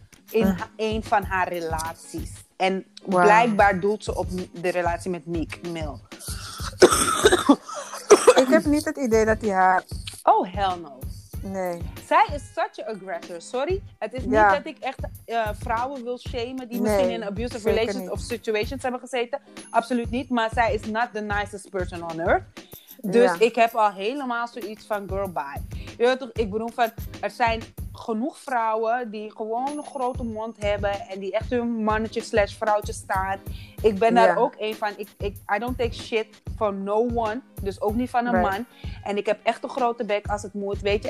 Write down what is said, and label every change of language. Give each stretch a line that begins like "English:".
Dutch: In een van haar relaties. En blijkbaar doelt ze op de relatie met Meek Mill. Ik heb niet het idee dat hij haar...
English: Oh, hell no.
Dutch: Nee. Zij is
English: such an aggressor. Sorry.
Dutch: Het is niet dat ik echt vrouwen wil shamen die misschien in
English: abusive relations
Dutch: of situations hebben gezeten. Absoluut niet. Maar zij is
English: not the nicest person on earth.
Dutch: Dus ik heb al helemaal zoiets van girl bye. Je weet toch, ik bedoel van, er zijn genoeg vrouwen die gewoon een grote mond hebben en die echt hun mannetje / vrouwtje staan. Ik ben daar ook een van.
English: I don't take shit from no one.
Dutch: Dus ook niet van een man. En ik heb echt een grote bek als het moet, weet je.